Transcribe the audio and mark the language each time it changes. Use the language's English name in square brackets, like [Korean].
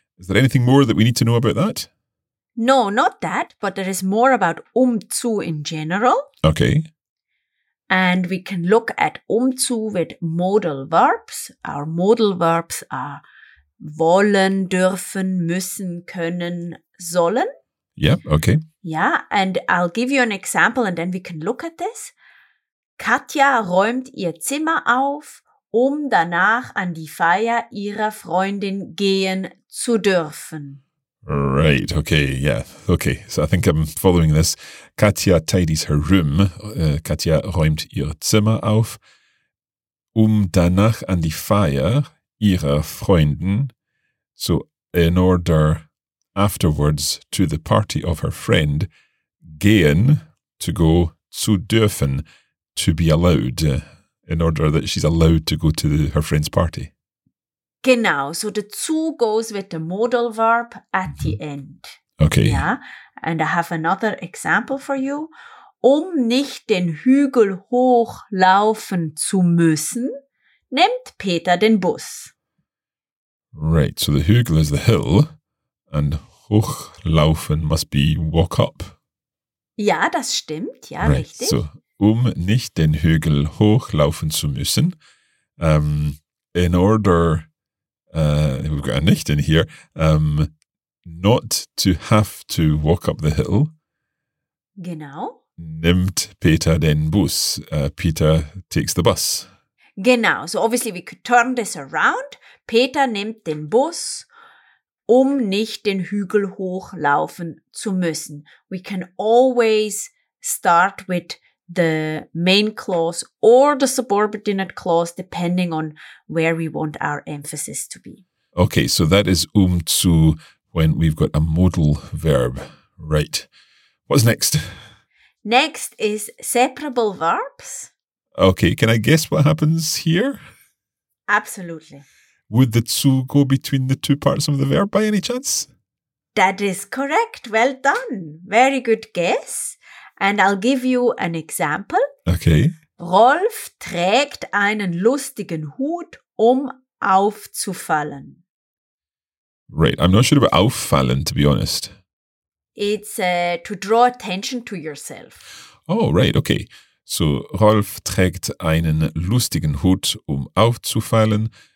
[English] Is there anything more that we need to know about that? No, not that, but there is more about zu in general. Okay. And we can look at zu with modal verbs. Our modal verbs are wollen, dürfen, müssen, können, sollen. Yeah, okay. Yeah, and I'll give you an example and then we can look at this. [German] Katja räumt ihr Zimmer auf, danach an die Feier ihrer Freundin gehen zu dürfen. [English] Right, okay, yeah, okay. So I think I'm following this. Katja tidies her room. [German] Katja räumt ihr Zimmer auf, danach an die Feier ihrer Freunden, [English] so in order afterwards to the party of her friend, gehen, to go, [German] zu dürfen, [English] to be allowed, in order that she's allowed to go to her friend's party. Genau, so the zu goes with the modal verb at the end. Okay. Yeah, and I have another example for you. [German] Nicht den Hügel hochlaufen zu müssen, nimmt Peter den Bus. [English] Right, so the Hügel is the hill and hochlaufen must be walk up. [German] Ja, das stimmt, ja, [English] right. [German] Richtig. So, nicht den Hügel hochlaufen zu müssen, [English] in order... we've got a nicht in here. Not to have to walk up the hill. [German] Genau. Nimmt Peter den Bus. [English] Peter takes the bus. [German] Genau. [English] So obviously we could turn this around. [German] Peter nimmt den Bus, nicht den Hügel hochlaufen zu müssen. [English] We can always start with the main clause or the subordinate clause, depending on where we want our emphasis to be. Okay, so that is zu when we've got a modal verb. Right. What's next? Next is separable verbs. Okay, can I guess what happens here? Absolutely. Would the zu go between the two parts of the verb by any chance? That is correct. Well done. Very good guess. And I'll give you an example. Okay. [German] Rolf trägt einen lustigen Hut, um aufzufallen. [English] Right. I'm not sure about auffallen, to be honest. It's to draw attention to yourself. Oh, right. Okay. [German] So Rolf trägt einen lustigen Hut, um aufzufallen.